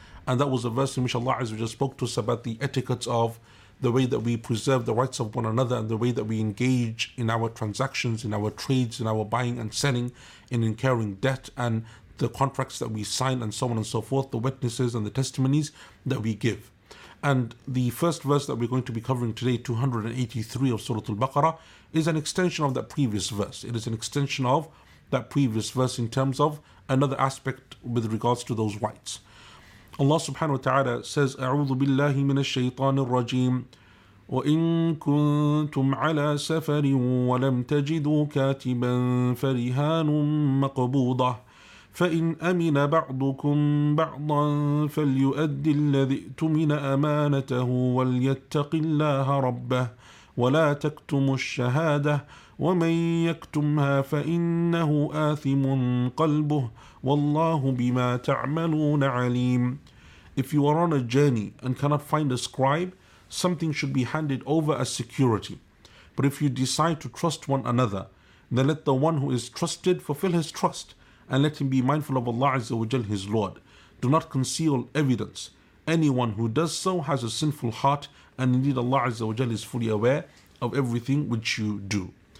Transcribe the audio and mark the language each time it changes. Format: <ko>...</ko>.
<en>And that was a verse in which Allah Azza wa Jalla spoke to us about the etiquette of the way that we preserve the rights of one another and the way that we engage in our transactions, in our trades, in our buying and selling, in incurring debt, and the contracts that we sign, and so on and so forth, the witnesses and the testimonies that we give. And the first verse that we're going to be covering today, 283 of Surah Al-Baqarah, is an extension of that previous verse. It is an extension of that previous verse in terms of another aspect with regards to those rights. Allah subhanahu wa ta'ala says,</en> <ar>أَعُوذُ بِاللَّهِ مِنَ الشَّيْطَانِ الرَّجِيمِ وَإِن كُنتُمْ عَلَىٰ سَفَرٍ وَلَمْ تَجِدُوا كَاتِبًا فَرِهَانٌ مَقْبُوضَةٌ فَإِنْ أَمِنَ بَعْضُكُمْ بَعْضًا فَلْيُؤَدِّ الَّذِي اؤْتُمِنَ أَمَانَتَهُ وَلْيَتَّقِ اللَّهَ رَبَّهُ وَلَا تَكْتُمُوا الشَّهَادَةَ وَمَنْ يَكْتُمْهَا فَإِنَّهُ آثِمٌ قَلْبُهُ وَاللَّهُ بِمَا تَعْمَلُونَ عَلِيمٌ.</ar> <en>If you are on a journey and cannot find a scribe, something should be handed over as security. But if you decide to trust one another, then let the one who is trusted fulfill his trust, and let him be mindful of Allah Azza wa Jal, his Lord. Do not conceal evidence. Anyone who does so has a sinful heart, and indeed Allah Azza wa Jal is fully aware of everything which you do.</en>